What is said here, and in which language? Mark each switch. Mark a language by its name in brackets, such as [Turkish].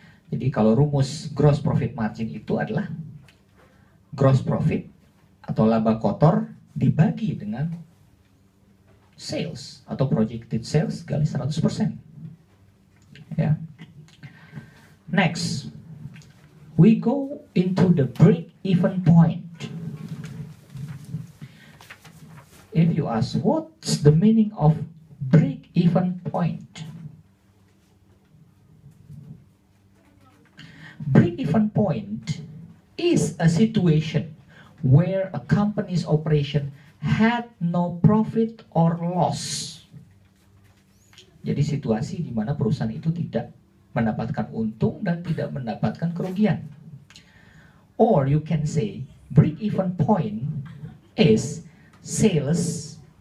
[Indonesian] Jadi kalau rumus gross profit margin itu adalah gross profit atau laba kotor dibagi dengan sales atau projected sales kali 100%. Ya. [English] Next, we go into the break even point. If you ask what's the meaning of break even point? Break even point is a situation where a company's operation had no profit or loss. [Indonesian] Jadi situasi di mana perusahaan itu tidak mendapatkan untung dan tidak mendapatkan kerugian. [English] Or you can say break even point is sales.